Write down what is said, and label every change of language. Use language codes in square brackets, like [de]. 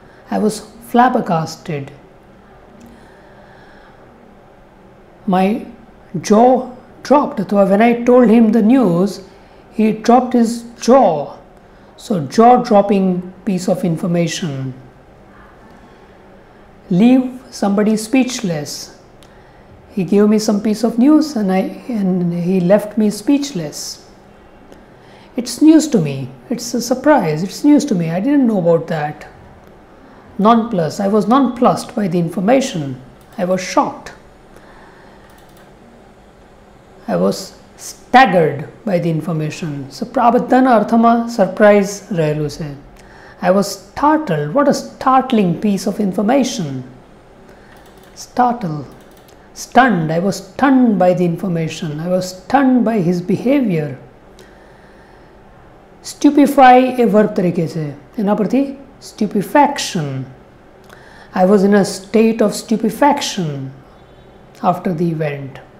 [en] I was flabbergasted, my jaw dropped, [gu] અથવા [en] When I told him the news he dropped his jaw, so jaw dropping piece of information. Leave somebody speechless. He gave me some piece of news and he left me speechless. It's news to me. It's a surprise. It's news to me. I didn't know about that. Nonplus. I was nonplussed by the information. I was shocked. I was staggered by the information. [gu] So prabhatana arthama surprise rahelu se. [en] I was startled. What a startling piece of information. Startled. Stunned. I was stunned by the information. I was stunned by his behavior. [gu] Stupefy A verb તરીકે છે. એના પરથી stupefaction. [en] I was in a state of stupefaction after the event.